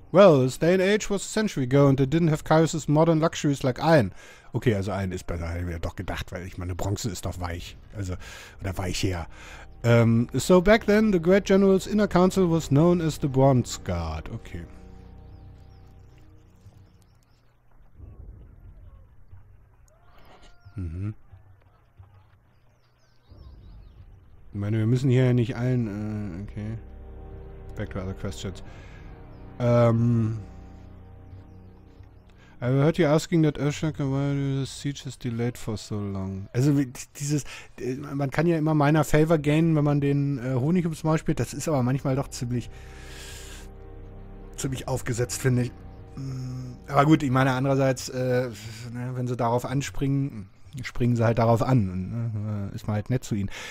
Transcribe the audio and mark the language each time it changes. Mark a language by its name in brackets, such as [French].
[English] Well, this day and age was a century ago and they didn't have Kairos' modern luxuries like iron. [German] Okay, also iron ist besser, hätte ich mir doch gedacht, weil ich meine, Bronze ist doch weich. Also, oder weicher. [English] So back then, the Great General's inner council was known as the Bronze Guard. Okay. Mhm. [German] Ich meine, wir müssen hier ja nicht allen, okay. [English] Back to other questions. I heard you asking that Urshaka, why the siege is delayed for so long? [German] Also, dieses, man kann ja immer minor favor gainen, wenn man den Honig ums Maul spielt. Das ist aber manchmal doch ziemlich aufgesetzt, finde ich. Aber gut, ich meine, andererseits, wenn sie darauf anspringen, springen sie halt darauf an. Ist man halt nett zu ihnen.